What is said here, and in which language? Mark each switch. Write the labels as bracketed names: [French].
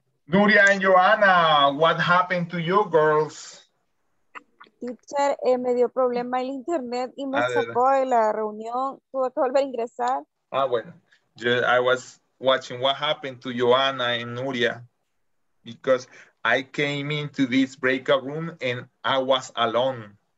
[English] Nuria and Joanna, what happened to you, girls? [Spanish] Teacher, me dio problema el internet y me sacó de la reunión. Tuve que volver a ingresar. Ah, bueno. [English] I was watching what happened to Joanna and Nuria because I came into this breakout room and I was alone.